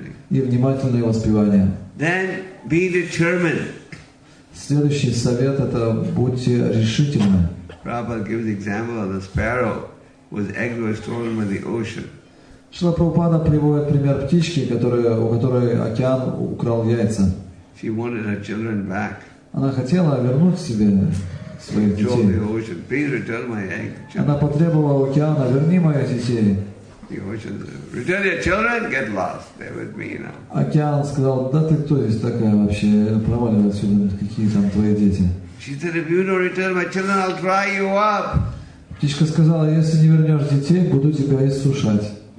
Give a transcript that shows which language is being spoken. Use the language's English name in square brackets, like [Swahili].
[Russian] И внимательное воспевание. [English] Then be determined. [Russian] Следующий совет это будьте решительны. [English] Prabhupada gives the example of the sparrow whose egg was stolen by the ocean. [Russian] Шрила Прабхупада приводит пример птички, у которой океан украл яйца. [English] She wanted her children back. [Russian] Она хотела вернуть себе своих детей. [English] Stole the ocean. Please return my egg. [Russian] Она потребовала океана, верни моих детей. [English] Return your children, get lost. They're with me now. [Russian] Океан сказал, да ты кто здесь такая вообще? Проваливай отсюда, какие там твои дети. [English] She said, if you don't return my children, I'll dry you up. [Russian] Птичка сказала, если не вернешь детей, буду тебя иссушать.